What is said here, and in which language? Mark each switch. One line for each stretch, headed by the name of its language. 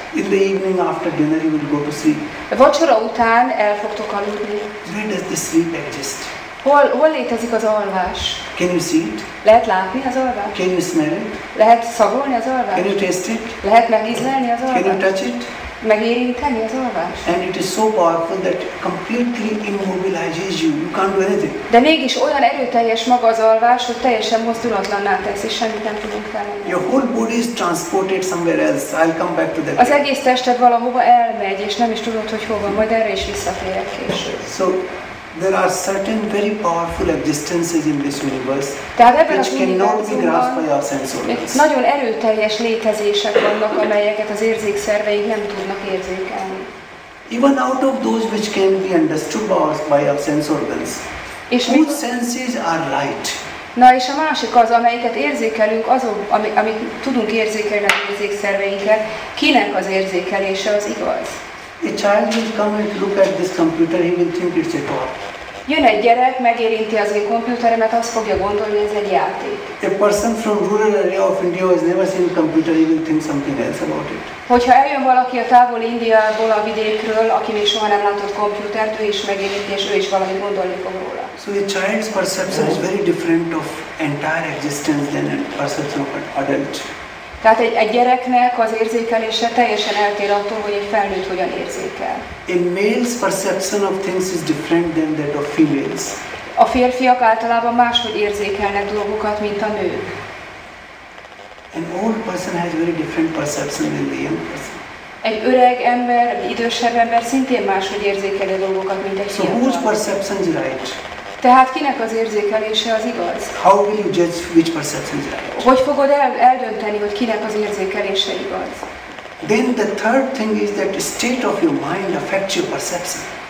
English: In the evening after dinner you will go to sleep.
Hungarian: Vacsora után el fogtok aludni.
English: Where does the sleep exist?
Hungarian: Hol létezik az alvás?
English: Can you see it?
Hungarian: Lehet látni az alvást?
English: Can you smell it?
Hungarian: Lehet szagolni az alvást?
English: Can you taste it?
Hungarian: Lehet megízlelni az alvást?
English: Can you touch it?
Hungarian: Megérinteni az alvást?
English: And it is so powerful that completely immobilizes you. You can't do anything.
Hungarian: De mégis olyan erőteljes maga az alvás, hogy teljesen mozdulatlanná tesz, és semmit nem tudunk tenni.
English: Your whole body is transported somewhere else. I'll come back to that.
Hungarian: Az egész tested valahova elmegy, és nem is tudod, hogy hova. Majd erre is visszatérek később.
English: So, there are certain very powerful existences in this universe
Hungarian: tehát
English: which cannot be grasped by our sense organs.
Hungarian: Nagyon erőteljes létezések vannak, amelyeket az érzékszerveink nem tudnak érzékelni.
English: Even out of those which can be understood by our sense organs,
Hungarian: és
English: whose senses are light.
Hungarian: Na és a másik az, amelyiket érzékelünk, azok, amit tudunk érzékelni az érzékszerveinket, kinek az érzékelése az igaz?
English: A child will come and look at this computer, he will think it's a toy.
Hungarian: Jön egy gyerek, megérinti az én komputeremet, azt fogja gondolni, hogy ez egy játék.
English: A person from rural area of India has never seen a computer, he will think something else about it.
Hungarian: Hogyha eljön valaki a távoli Indiából, a vidékről, aki még soha nem látott komputert, ő is megérinti, és ő is valami gondolni fog róla.
English: So a child's perception is very different of entire existence than a perception of an adult.
Hungarian: Tehát egy gyereknek az érzékelése teljesen eltér attól, hogy egy felnőtt hogyan érzékel.
English: A male's perception of things is different than that of females.
Hungarian: A férfiak általában máshogy érzékelnek dolgokat, mint a nők.
English: An old person has very different perception than the young person.
Hungarian: Egy öreg ember, idősebb ember szintén máshogy érzékeli dolgokat, mint egy fiatal.
English: So whose perception is right?
Hungarian: Tehát kinek az érzékelése az igaz?
English: How will you judge which perception is right?
Hungarian: Hogy fogod eldönteni, hogy kinek az érzékelése igaz?
English: Then the third thing is that the state of your mind affects your perception.